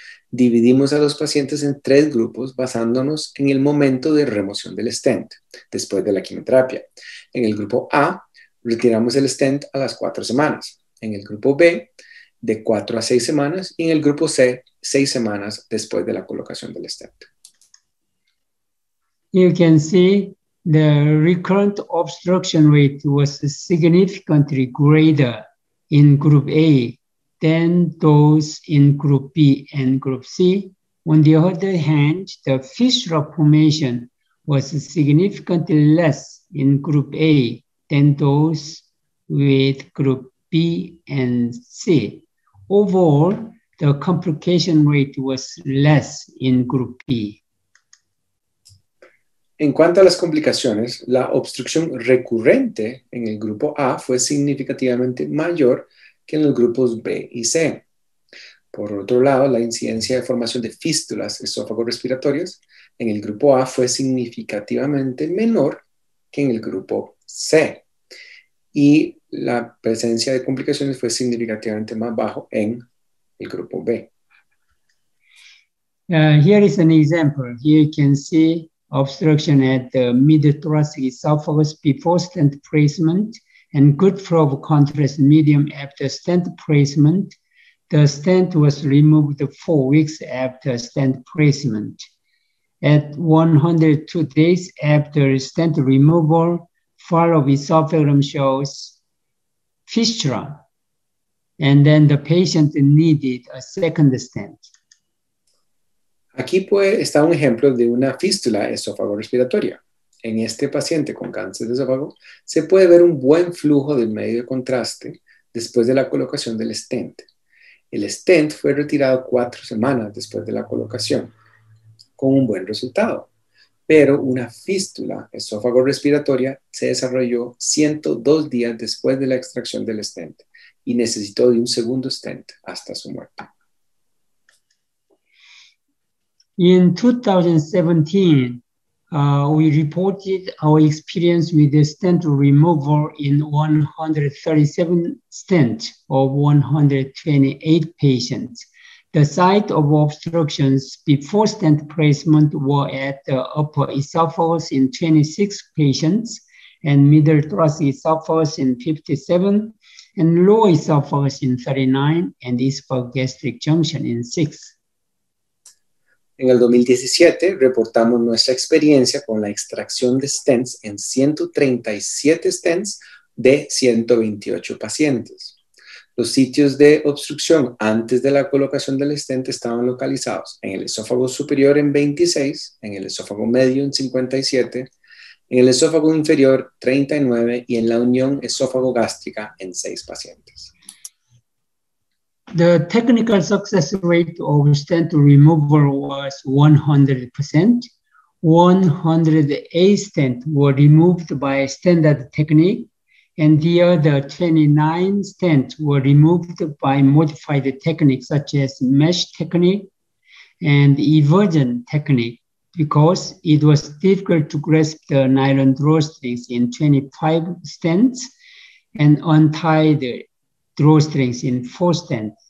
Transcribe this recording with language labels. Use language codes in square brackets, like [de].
[es] Dividimos a los pacientes en 3 grupos basándonos en el momento de remoción del stent después de la quimioterapia. En el grupo A, retiramos el stent a las 4 semanas. En el grupo B, de 4 a 6 semanas. Y en el grupo C, 6 semanas después de la colocación del stent. [en] You can see the recurrent obstruction rate was significantly greater in group A than those in group B and group C. On the other hand, the fistula formation was significantly less in group A than those with group B and C. overall, the complication rate was less in group B. [es] En cuanto a las complicaciones, la obstrucción recurrente en el grupo A fue significativamente mayor que en los grupos B y C. Por otro lado, la incidencia de formación de fístulas esófago-respiratorias en el grupo A fue significativamente menor que en el grupo C. Y la presencia de complicaciones fue significativamente más bajo en el grupo B. [en] Here is an example. Here you can see obstruction at the mid-thoracic esophagus before stent placement and good flow of contrast medium after stent placement. The stent was removed 4 weeks after stent placement. At 102 days after stent removal, follow-up esophagram shows fistula, and then the patient needed a second stent. [es] Aquí puede estar un ejemplo de una fístula esófago-respiratoria. En este paciente con cáncer de esófago, se puede ver un buen flujo del medio de contraste después de la colocación del stent. El stent fue retirado 4 semanas después de la colocación, con un buen resultado. Pero una fístula esófago-respiratoria se desarrolló 102 días después de la extracción del stent y necesitó de un segundo stent hasta su muerte. [en] In 2017, we reported our experience with the stent removal in 137 stents of 128 patients. The site of obstructions before stent placement were at the upper esophagus in 26 patients and middle thoracic esophagus in 57 and lower esophagus in 39 and esophagogastric junction in 6. [es] En el 2017 reportamos nuestra experiencia con la extracción de stents en 137 stents de 128 pacientes. Los sitios de obstrucción antes de la colocación del stent estaban localizados en el esófago superior en 26, en el esófago medio en 57, en el esófago inferior 39 y en la unión esófago-gástrica en 6 pacientes. [en] The technical success rate of stent removal was 100%. 108 stents were removed by standard technique, and the other 29 stents were removed by modified techniques such as mesh technique and eversion technique because it was difficult to grasp the nylon drawstrings in 25 stents and untie the drawstrings in 4 stents.